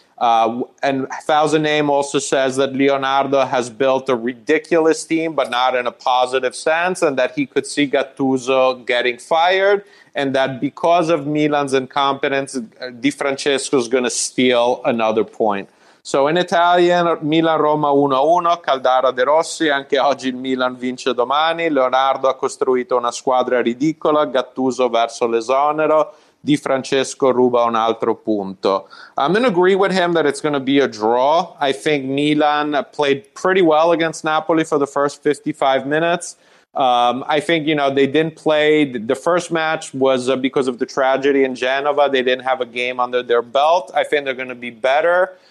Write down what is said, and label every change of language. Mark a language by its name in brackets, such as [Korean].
[English] And Thousand Name also says that Leonardo has built a ridiculous team, but not in a positive sense, and that he could see Gattuso getting fired, and that because of Milan's incompetence, Di Francesco is going to steal another point. So in Italian, [Italian] Milan-Roma 1-1, Caldara De Rossi, anche oggi Milan vince domani, Leonardo ha costruito una squadra ridicola, Gattuso verso l'esonero, Di Francesco ruba un altro punto. [English] I'm going to agree with him that it's going to be a draw. I think Milan played pretty well against Napoli for the first 55 minutes. I think, you know, they didn't play. The first match was because of the tragedy in Genova. They didn't have a game under their belt. I think they're going to be better.